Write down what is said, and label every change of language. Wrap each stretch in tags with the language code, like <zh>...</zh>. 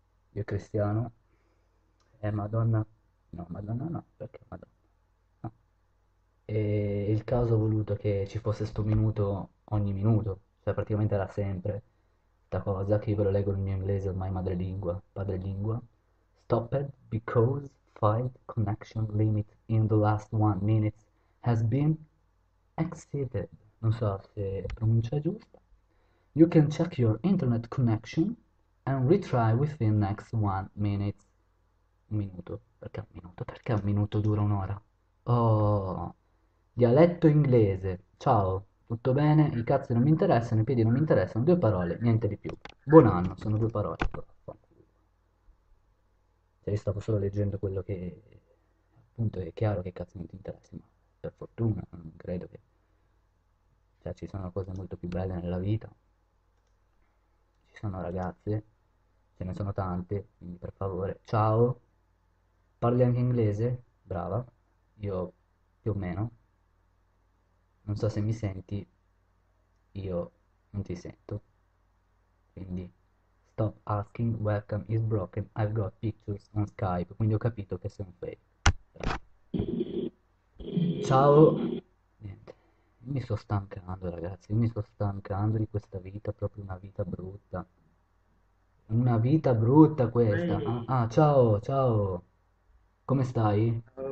<it>Io e Cristiano. Madonna. No, Madonna no, perché Madonna. No. E il caso ha voluto che ci fosse sto minuto ogni minuto, cioè praticamente era sempre sta cosa, che io ve lo leggo nel mio inglese ormai madrelingua, padrelingua.</it> <en>Stopped because file connection limit in the last 1 minute has been exceeded.</en> <it>Non so se pronuncia giusta.</it> <en>You can check your internet connection and retry within next 1 minute.</en> <it>Un minuto. Perché un minuto? Perché un minuto dura un'ora? Oh, dialetto inglese. Ciao, tutto bene? I cazzi non mi interessano, i piedi non mi interessano. Due parole, niente di più. Buon anno, sono due parole. Cioè, stavo solo leggendo quello che. Appunto, è chiaro che cazzo non ti interessa, ma per fortuna, non credo che. Cioè, ci sono cose molto più belle nella vita. Ci sono ragazze, ce ne sono tante, quindi per favore, ciao. Parli anche inglese? Brava, io più o meno. Non so se mi senti, io non ti sento.</it> <en>Quindi, stop asking, welcome is broken, I've got pictures on Skype.</en> <it>Quindi ho capito che sei un fake. Ciao. Niente, mi sto stancando, ragazzi, mi sto stancando di questa vita, proprio una vita brutta. Una vita brutta questa. Ah, ciao, ciao. Come stai?</it>